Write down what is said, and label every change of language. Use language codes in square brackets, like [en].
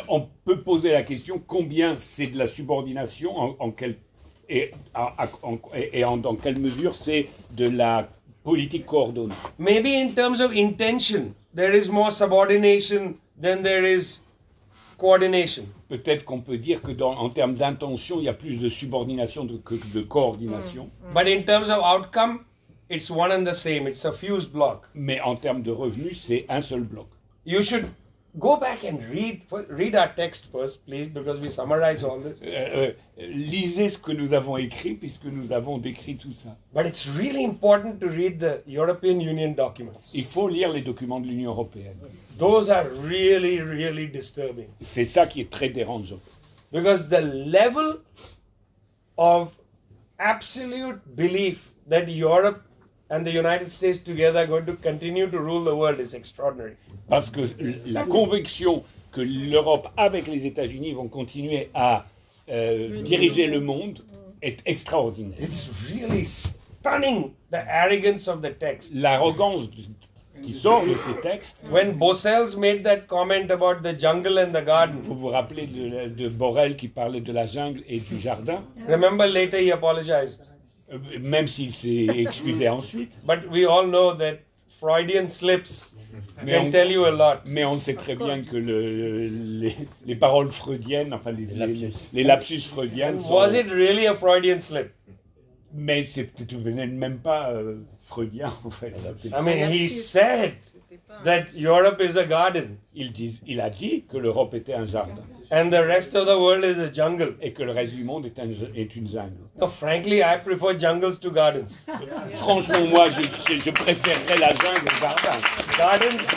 [fr] On peut poser la question, combien c'est de la subordination dans quelle mesure c'est de la politique coordonnée? [en] Maybe in terms of intention, there is more subordination than there is coordination. [fr] Peut-être qu'on peut dire que en termes d'intention, il y a plus de subordination que de coordination. [en] But in terms of outcome, it's one and the same. It's a fused block. [fr] Mais en termes de revenus, c'est un seul bloc. [en] You should go back and read our text first, please, because we summarize all this. [fr] Lisez ce que nous avons écrit, puisque nous avons décrit tout ça. [en] But it's really important to read the European Union documents. [fr] Il faut lire les documents de l'Union européenne. [en] Those are really, really disturbing. [fr] C'est ça qui est très dérangeant. [en] Because the level of absolute belief that Europe and the United States together are going to continue to rule the world is extraordinary. [fr] Parce que la conviction que l'Europe avec les États-Unis vont continuer à diriger le monde est extraordinaire. [en] It's really stunning, the arrogance of the text. [fr] L'arrogance qui sort de ces textes. [en] When Bosels made that comment about the jungle and the garden. [fr] Vous vous rappelez de Borrell qui parlait de la jungle et du jardin? [en] Remember later he apologized. [fr] Même s'il s'est excusé ensuite. [en] But we all know that Freudian slips can tell you a lot. [fr] Mais on sait très bien que les paroles freudiennes, enfin les lapsus freudiennes. [en] Was it really a Freudian slip? [fr] Mais c'est même pas freudien, en fait. [en] I mean, he said that Europe is a garden. [fr] Il a dit que l'Europe était un jardin. [en] And the rest of the world is a jungle. [fr] Et que le reste du monde est une jungle. [en] So frankly, I prefer jungles to gardens. [fr] Franchement, moi, je préférerais la jungle au jardin.